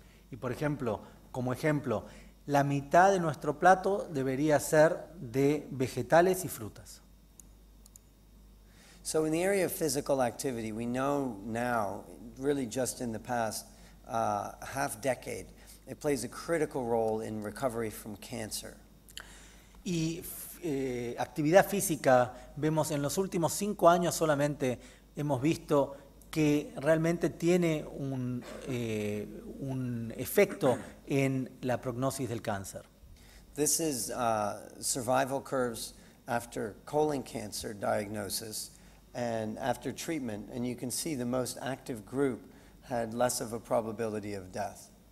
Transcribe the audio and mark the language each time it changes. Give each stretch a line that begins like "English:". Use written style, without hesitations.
Spanish: Y por ejemplo, como ejemplo, la mitad de nuestro plato debería ser de vegetales y frutas.
English: So in the area of physical activity, we know now, really just in the past half decade, it plays a critical role in recovery from cancer.
Spanish: Y actividad física, vemos en los últimos 5 años solamente, hemos visto que realmente tiene un efecto en la prognosis del cáncer.
English: This is survival curves after colon cancer diagnosis and after treatment, and you can see the most active group had less of a probability of death.